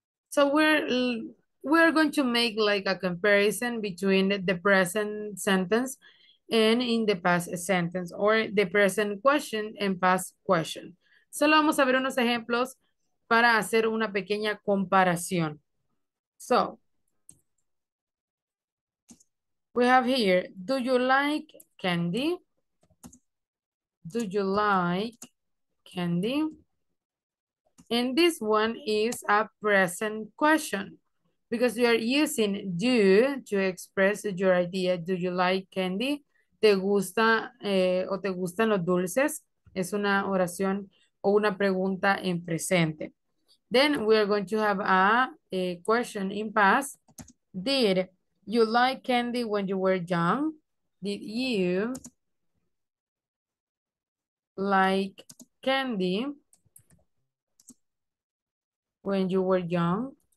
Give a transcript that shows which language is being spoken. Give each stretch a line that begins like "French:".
English: So we're going to make like a comparison between the present sentence and in the past sentence, or the present question and past question.
Spanish: Solo vamos a ver unos ejemplos para hacer una pequeña comparación.
English: So, we have here, do you like candy? Do you like candy? And this one is a present question because you are using do to express your idea. Do you like candy?
Spanish: ¿Te gusta o te gustan los dulces? Es una oración o una pregunta en presente.
English: Then we are going to have a question in past. Did you like candy when you were young? Did you like candy when you were young?